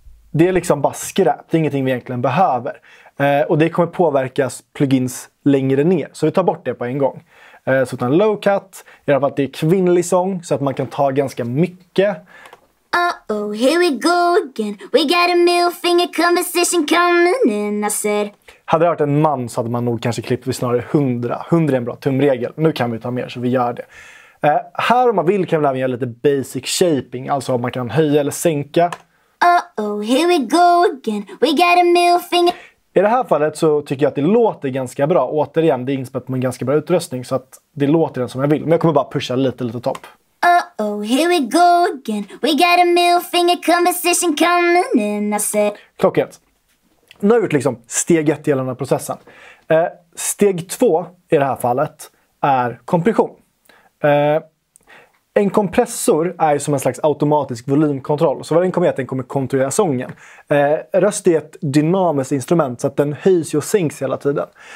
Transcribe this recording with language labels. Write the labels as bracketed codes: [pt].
[sv] Det är liksom bara skräp. Det är ingenting vi egentligen behöver. Och det kommer påverkas plugins längre ner. Så vi tar bort det på en gång. Så utan low cut, i alla fall att det är kvinnlig sång så att man kan ta ganska mycket. [en] Uh-oh, here we go again. We got a middle finger conversation coming in, I said. [sv] Hade det varit en man så hade man nog kanske klippt vid snarare 100. 100 är en bra tumregel. Nu kan vi ta mer så vi gör det. Här om man vill kan man även göra lite basic shaping, alltså om man kan höja eller sänka. [en] Uh-oh, here we go again. We got a middle finger. [sv] I det här fallet så tycker jag att det låter ganska bra. Återigen, det är inspelat med en ganska bra utrustning så att det låter den som jag vill. Men jag kommer bara pusha lite topp. [en] Uh-oh, here we go again. We got a middle finger conversation coming in, I said. [sv] Klockrent. Nu har vi gjort liksom steg 1 i hela den här processen. Steg 2 i det här fallet är kompression. En kompressor är som en slags automatisk volymkontroll. Så vad den kommer att göra är att den kommer kontrollera sången. Röst är ett dynamiskt instrument så att den höjs och sänks hela tiden.